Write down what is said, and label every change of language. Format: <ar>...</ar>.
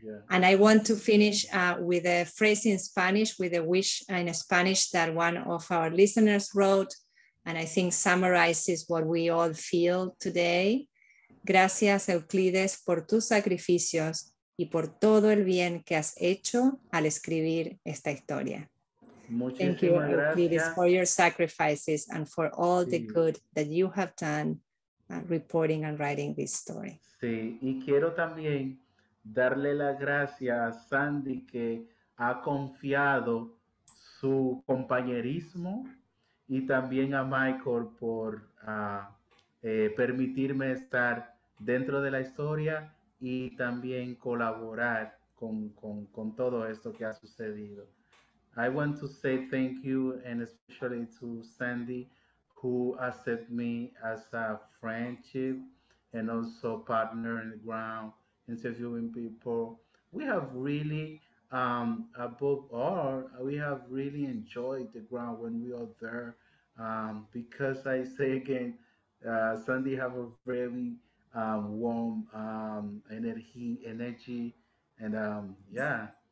<en>And I want to finish with a phrase in Spanish, with a wish in Spanish that one of our listeners wrote, and I think summarizes what we all feel today.</en> <es>Gracias, Euclides, por tus sacrificios y por todo el bien que has hecho al escribir esta historia.</es> <en>Thank you, Euclides, for your sacrifices and for all the good that you have done reporting and writing this story.</en> <es>Sí, y quiero también darle la gracia a Sandy que ha confiado su compañerismo y también a Michael por permitirme estar dentro de la historia y también colaborar con todo esto que ha sucedido.</es> <en>I want to say thank you and especially to Sandy who accepted me as a friendship and also partner in the ground interviewing people. We have really, above all, we have really enjoyed the ground when we are there because I say again, Sandy have a very warm energy and yeah.</en>